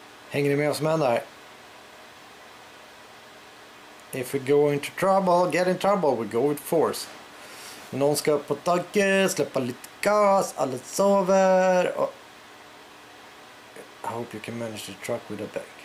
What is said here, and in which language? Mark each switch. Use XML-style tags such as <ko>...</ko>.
<sv>Hänger ni med oss män där?</sv> <en>If we go into trouble, get in trouble, we go with force.</en> <sv>Någon ska upp på taket, släppa lite gas, alla sover. Och</sv> <en>I hope you can manage the truck with a bag.</en>